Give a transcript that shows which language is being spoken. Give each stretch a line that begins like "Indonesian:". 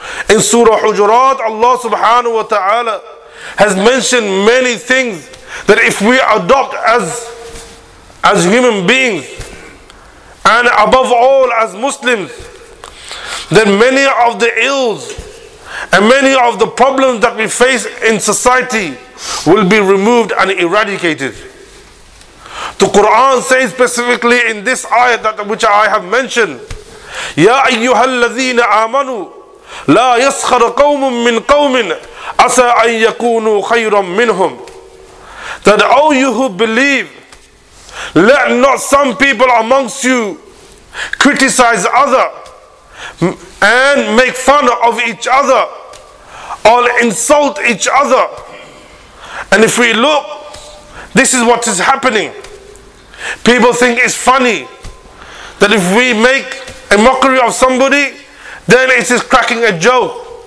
English: In Surah Hujurat, Allah subhanahu wa ta'ala has mentioned many things that if we adopt as human beings, and above all as Muslims, then many of the ills and many of the problems that we face in society will be removed and eradicated. The Quran says specifically in this ayah that which I have mentioned,
Arabic: يَا أَيُّهَا الَّذِينَ آمَنُوا لَا يَسْخَرْ قَوْمٌ مِّن قَوْمٍ أَسَىٰ أَن يَكُونُوا خَيْرًا مِّنْهُمْ.
English: That all you who believe, let not some people amongst you criticize other and make fun of each other or insult each other. And if we look, this is what is happening. People think it's funny that if we make a mockery of somebody, then it is cracking a joke.